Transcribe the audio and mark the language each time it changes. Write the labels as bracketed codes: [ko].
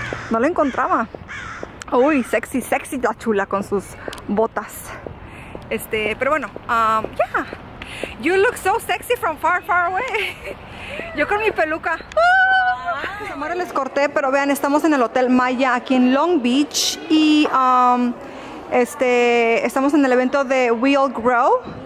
[es] No la encontraba. Uy, sexy, sexy la chula con sus botas. Pero bueno, yeah. [en] You look so sexy from far, far away. [es] Yo con mi peluca. Samara, les corté, pero vean, estamos en el Hotel Maya aquí en Long Beach y estamos en el evento de We'll Grow.